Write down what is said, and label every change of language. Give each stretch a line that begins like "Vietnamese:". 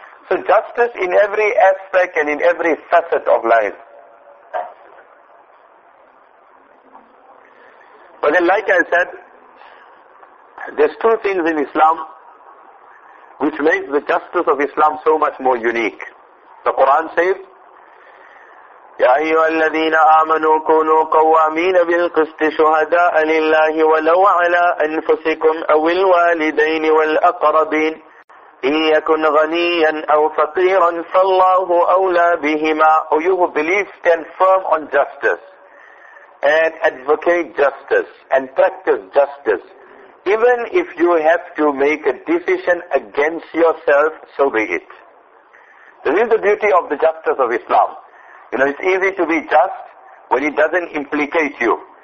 English: So justice in every aspect and in every facet of life. But then like I said, there's two things in Islam which makes the justice of Islam so much more unique. The Quran says,
Arabic: يا أيها الذين آمنوا كونوا قوامين بالقسط شهداء لله ولو على أنفسكم أو الوالدين والأقربين إن يكن غنيا أو فقيرا فالله أولى بهما.
English: Oh, you who believe, stand firm on justice and advocate justice and practice justice. Even if you have to make a decision against yourself, so be it. This is the beauty of the justice of Islam. It's easy to be just when it doesn't implicate you.